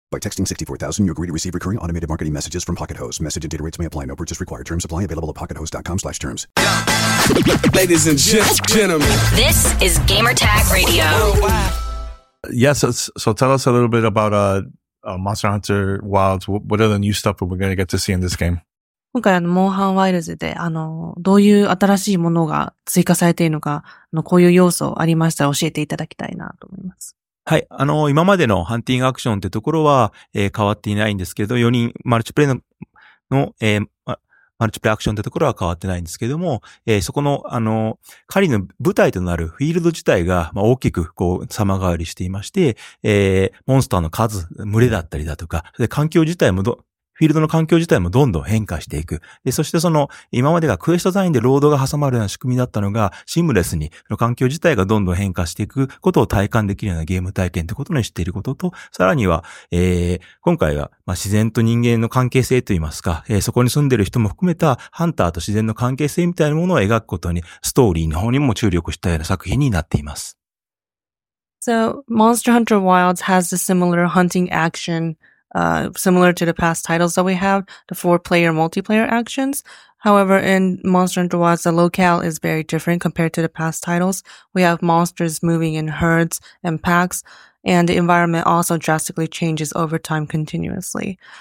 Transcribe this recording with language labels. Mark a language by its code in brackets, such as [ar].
[en] By texting 64000, you agree to receive recurring automated marketing messages from Pocket Hose. Message and data rates may apply. No purchase required. Terms apply. Available at pockethose.com/terms. Ladies and gentlemen. This is Gamertag Radio. Yes, so tell us a little bit about Monster Hunter Wilds. What are the new stuff that we're going to get to see in this game? [ja] 今回モンハンワイルズでどういう新しいものが追加されているのか、こういう要素ありましたら教えていただきたいなと思います。はい。今までのハンティングアクションってところは、変わっていないんですけど、4人マルチプレイ マルチプレイアクションってところは変わってないんですけども、そこの、狩りの舞台となるフィールド自体が、まあ、大きく、こう、様変わりしていまして、モンスターの数、群れだったりだとか、で環境自体もフィールドの環境自体もどんどん変化していく。で、そしてその、今までがクエストデザインでロードが挟まるような仕組みだったのが、シームレスに、環境自体がどんどん変化していくことを体感できるようなゲーム体験ってことにしていることと、さらには、今回は、まあ、自然と人間の関係性といいますか、そこに住んでる人も含めた、ハンターと自然の関係性みたいなものを描くことに、ストーリーの方にも注力したような作品になっています。 [en] So, Monster Hunter Wilds has a similar hunting action. Similar to the past titles that we have, the four-player multiplayer actions. However, in Monster Hunter Wilds, the locale is very different compared to the past titles. We have monsters moving in herds and packs, and the environment also drastically changes over time continuously.